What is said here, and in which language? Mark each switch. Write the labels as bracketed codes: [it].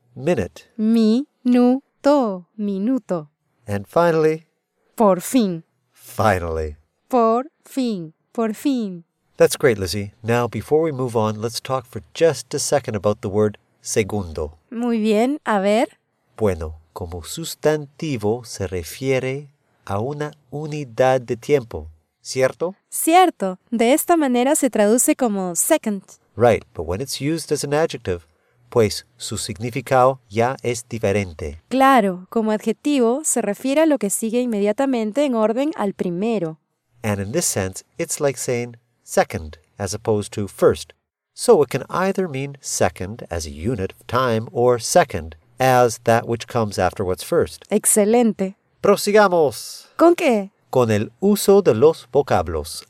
[en] Minute. [es] Minuto. Minuto. [en] And finally... [es] Por fin. [en] Finally. [es] Por fin. Por fin. [en] That's great, Lizzie. Now, before we move on, let's talk for just a second about the word segundo. [es] Muy bien. A ver. Bueno, como sustantivo se refiere a una unidad de tiempo, ¿cierto? Cierto. De esta manera se traduce como second. [en] Right, but when it's used as an adjective, [es] pues su significado ya es diferente. Claro, como adjetivo se refiere a lo que sigue inmediatamente en orden al primero. [en] And in this sense, it's like saying second as opposed to first. So it can either mean second as a unit of time or second as that which comes after what's first. [es] Excelente. Prosigamos. ¿Con qué? Con el uso de los vocablos.